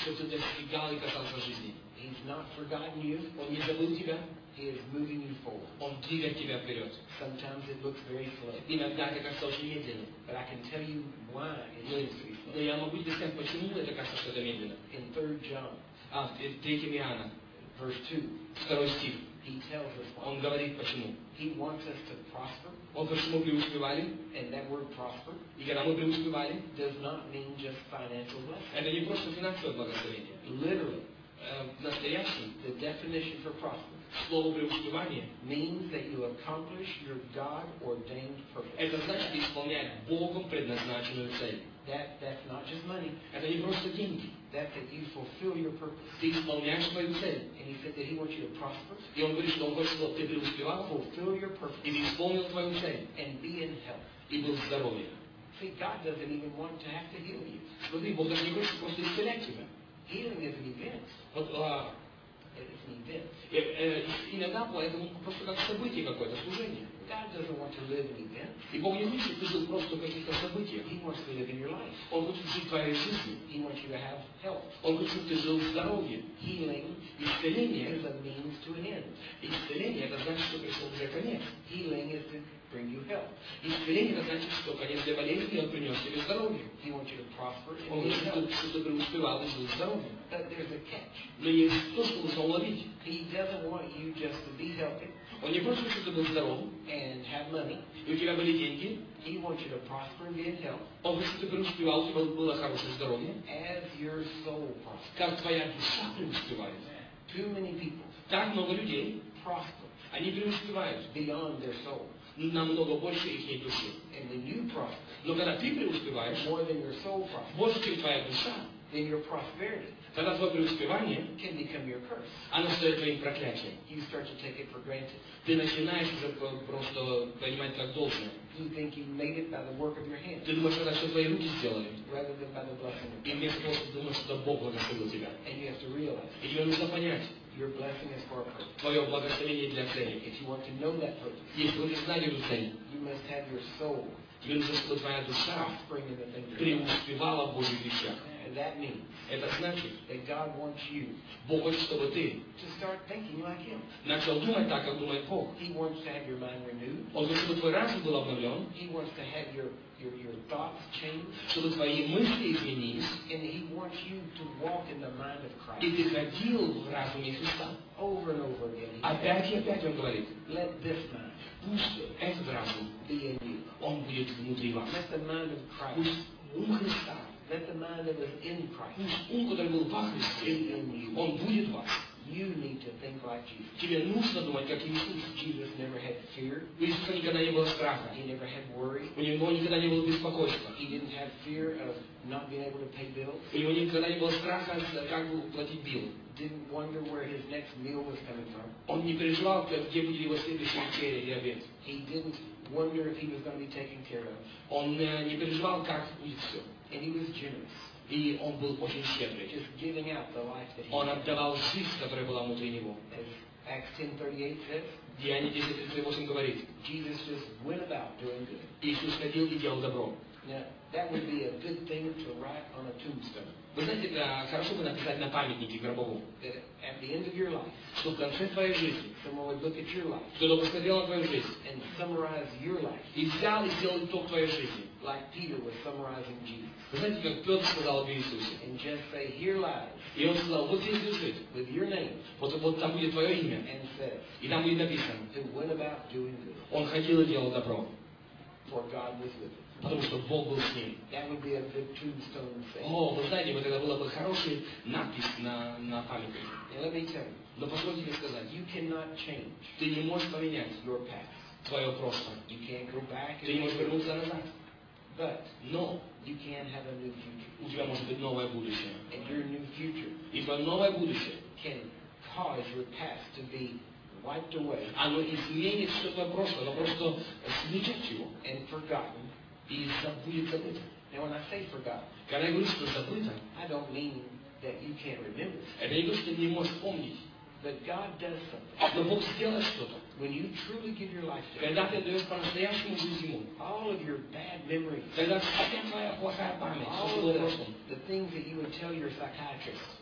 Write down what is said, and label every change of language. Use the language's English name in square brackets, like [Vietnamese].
[Russian] Чтобы ты достигал и касался жизни. [English] He's not forgotten you. [Russian] Он не забыл тебя. [English] He is moving you forward. [Russian] Он двигает тебя вперед. [English] Sometimes it looks very slow. [Russian] Иногда это кажется очень медленно. [English] But I can tell you why it looks very slow. [Russian] Но я могу тебе сказать, почему это кажется что-то медленно. [English] In 3 John. [Russian] А, в 3 Иоанна. [English] Verse 2. [Russian] Второй стих. [English] He tells us why. [Russian] Он говорит почему. [English] He wants us to prosper. [Russian] Он хочет, чтобы мы преуспевали. [English] And that word prosper. [Russian] И когда мы преуспевали. [English] Does not mean just financial blessing. [Russian] Это не просто финансовое благословение. [English] Literally. [Russian] Настоящий. [English] The definition for prosper. [Russian] Слово преуспевание. [English] Means that you accomplish your God-ordained purpose. [Russian] Это значит исполнять Богом предназначенную цель. [English] That's not just money. [Russian] Это не просто деньги. [English] That you fulfill your purpose. [Russian] Ты исполняешь свою цель. [English] And he said that he wants you to prosper. [Russian] И он говорит, что он хочет, чтобы ты преуспевал. [English] Fulfill your purpose. [Russian] И исполнил твою цель. [English] And be in health. [Russian] И был здоровье. [English] See, God doesn't even want to have to heal you. [Russian] Смотри, Бог даже не хочет просто исцелять тебя. [English] Healing is an event. It's an event. [Russian] Иногда поэтому просто как событие какое-то, служение. [English] God doesn't want to live an event. [Russian] И Бог не хочет, чтобы ты жил просто каких-то событиях. [English] He wants to live in your life. [Russian] Он хочет жить в твоей жизни. [English] He wants you to have health. [Russian] Он хочет, чтобы ты жил в здоровье. [English] Healing. [Russian] Исцеление. [English] Is a means to an end. [Russian] Исцеление это значит, что пришел уже конец. [English] Healing is to bring you health. [Russian] Исцеление это значит, что конец для болезни, он принес тебе здоровье. [English] He wants you to prosper. [Russian] Он хочет, чтобы ты преуспевал и жил в здоровье. [English] But there's a catch. [Russian] Но есть то, что нужно уловить. [English] He doesn't want you just to be healthy. [Russian] Он не просто хочет, чтобы ты был здоров. [English] And have money. [Russian] И у тебя были деньги. [English] He wants you to prosper and be in health. [Russian] Он хочет, чтобы ты преуспевал, чтобы было хорошее здоровье. [English] As your soul prospers. [Russian] Как твоя душа преуспевает. [English] Too many people. [Russian] Так много людей. [English] Prosper. [Russian] Они преуспевают. [English] Beyond their soul. [Russian] Намного больше их души. [English] And when you prosper. [Russian] Но когда ты преуспеваешь. [English] More than your soul prospers. [Russian] Больше, чем твоя душа. [English] Then your prosperity. [Russian] Тогда твое преуспевание [English] can become your curse. [Russian] Оно стоит твоим проклятием. [English] You start to take it for granted. [Russian] Ты начинаешь уже просто понимать как должное. [English] You think you made it by the work of your hands. [Russian] Ты думаешь, что это твои руки сделали. [English] Rather than by the blessing of God. [Russian] И вместо того, что ты думаешь, что Бог благословил тебя. [English] And you have to realize. [Russian] И тебе нужно понять. [English] Your blessing is for a purpose. [Russian] Твое благословение для цели. [English] If you want to know that purpose. [Russian] Если вы не знали эту цель. [English] You must have your soul. [Russian] Тебе нужно, чтобы твоя душа преуспевала в Божьих вещах. [English] That means [Russian] это значит, [English] that God wants you [Russian] Бог хочет, чтобы ты [English] to start thinking like Him. [Russian] Начал думать так, как думает Бог. [English] He wants to have your mind renewed. [Russian] Он хочет, чтобы твой разум был обновлен. [English] He wants to have your thoughts changed. [Russian] Чтобы твои мысли изменились. [English] And He wants you to walk in the mind of Christ. [Russian] И ты ходил в разуме Христа. [English] Over and over again. [Russian] Опять и опять он говорит. [English] Let this mind. [Russian] Пусть этот разум [English] be in you. [Russian] Он будет внутри вас. [English] Let the mind of Christ. [Russian] Пусть ум Христа. [English] Let the mind that was in Christ. [Russian] Пусть ум, который был во Христе, он будет в вас. [English] You need to think like Jesus. [Russian] Тебе нужно думать как Иисус. [English] Jesus never had fear. [Russian] У Иисуса никогда не было страха. [English] He never had worry. [Russian] У него никогда не было беспокойства. [English] He didn't have fear of not being able to pay bills. [Russian] У него никогда не было страха, как бы платить билл. [English] Didn't wonder where his next meal was coming from. [Russian] Он не переживал, где будет его следующий вечер или обед. [English] He didn't wonder if he was going to be taken care of. [Russian] Он не переживал, как будет все. [English] And he was generous. [Russian] И он был очень щедрый. [English] Just giving out the life that he [Russian] Он отдавал жизнь, которая была внутри него. [English] As Acts 10:38 says, [Russian] Деяния 10:38 говорит, [English] Jesus just went about doing good. [Russian] Иисус ходил и делал добро. [English] Now, that would be a good thing to write on a tombstone. [Russian] Вы знаете, это хорошо бы написать на памятнике гробовом. [English] At the end of your life, [Russian] что в конце твоей жизни, [English] someone would look at your life, [Russian] кто-то посмотрел на твою жизнь, [English] and summarize your life, [Russian] и взял и сделал итог твоей жизни, [English] like Peter was summarizing Jesus. [Russian] Вы знаете, как Петр сказал об Иисусе, [English] and just say, here lies, [Russian] и он сказал, вот здесь лежит, [English] with your name, [Russian] вот там будет твое имя, [English] and says, [Russian] и там будет написано, [English] who went about doing good. [Russian] Он ходил и делал добро, [English] for God was with him. [Russian] Потому что Бог был с ним. [English] That would be a good tombstone thing. [Russian] О, вы знаете, вот это была бы хорошая надпись на памятнике. [English] Let me tell you. [Russian] Но позвольте мне сказать. [English] You cannot change. [Russian] Ты не можешь поменять [English] your past. [Russian] Твое прошлое. [English] You can't go back. [Russian] Ты не можешь вернуться назад. [English] But. [Russian] Но. [English] You can have a new future. [Russian] У тебя может быть новое будущее. [English] And your new future. [Russian] И твое новое будущее. [English] Can cause your past to be wiped away. [Russian] Оно изменит все твое прошлое, но просто смечет его. [English] And forgotten. [Russian] И забудет забыто. [English] Now when I say forgotten, [Russian] когда я говорю, что забыто, [English] I don't mean that you can't remember. [Russian] Это не то, что ты не можешь помнить. [English] But God does something. [Russian] Но Бог сделает что-то. [English] When you truly give your life to Him, [Russian] когда ты отдаешь по-настоящему жизнь Ему, [English] all of your bad memories, [Russian] тогда вся твоя плохая память, все, что было в прошлом, [English] the things that you would tell your psychiatrist,